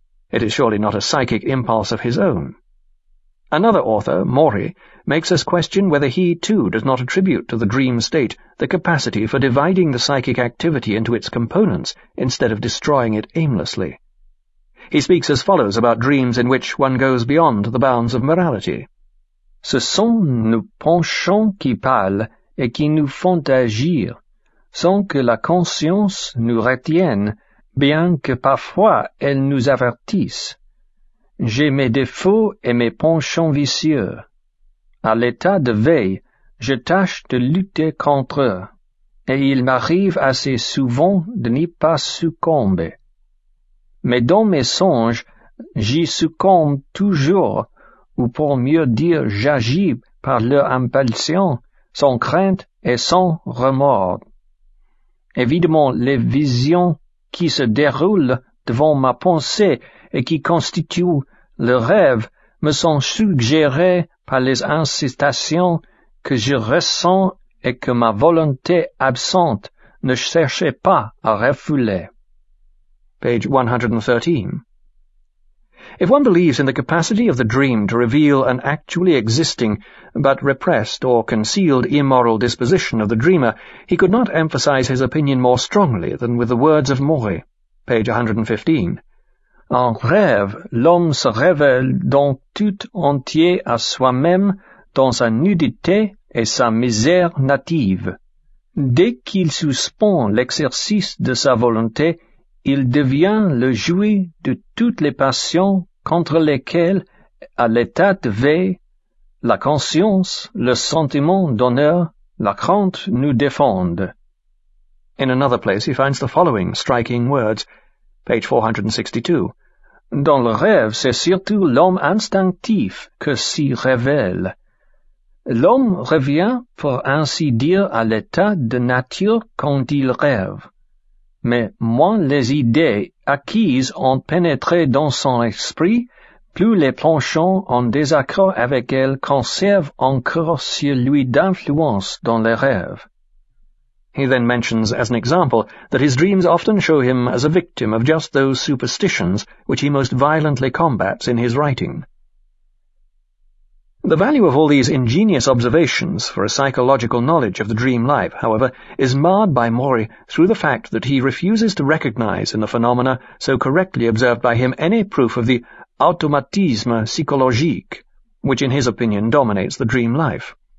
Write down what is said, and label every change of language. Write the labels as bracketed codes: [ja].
[en] It is surely not a psychic impulse of his own. Another author, Mori, makes us question whether he, too, does not attribute to the dream state the capacity for dividing the psychic activity into its components instead of destroying it aimlessly. He speaks as follows about dreams in which one goes beyond the bounds of morality. [fr] Ce sont nos penchants qui parlent et qui nous font agir, sans que la conscience nous retienne, bien que parfois elle nous avertisse. J'ai mes défauts et mes penchants vicieux. À l'état de veille, je tâche de lutter contre eux, et il m'arrive assez souvent de n'y pas succomber. Mais dans mes songes, j'y succombe toujours, ou pour mieux dire, j'agis par leur impulsion, sans crainte et sans remords. Évidemment, les visions qui se déroulent devant ma pensée et qui constituent le rêve me sont suggérés par les incitations que je ressens et que ma volonté absente ne cherchait pas à refouler. [en] Page 113. If one believes in the capacity of the dream to reveal an actually existing, but repressed or concealed immoral disposition of the dreamer, he could not emphasize his opinion more strongly than with the words of Mori. Page 115. [fr] En rêve, l'homme se révèle donc tout entier à soi-même dans sa nudité et sa misère native. Dès qu'il suspend l'exercice de sa volonté, il devient le jouet de toutes les passions contre lesquelles, à l'état de veille, la conscience, le sentiment d'honneur, la crainte nous défendent. [en] In another place he finds the following striking words, page 462. [fr] Dans le rêve, c'est surtout l'homme instinctif que s'y révèle. L'homme revient, pour ainsi dire, à l'état de nature quand il rêve. Mais moins les idées acquises ont pénétré dans son esprit, plus les penchants en désaccord avec elles conservent encore celui d'influence dans les rêves. [en] He then mentions, as an example, that his dreams often show him as a victim of just those superstitions which he most violently combats in his writing. The value of all these ingenious observations for a psychological knowledge of the dream life, however, is marred by Mori through the fact that he refuses to recognize in the phenomena so correctly observed by him any proof of the automatisme psychologique, which in his opinion dominates the dream life.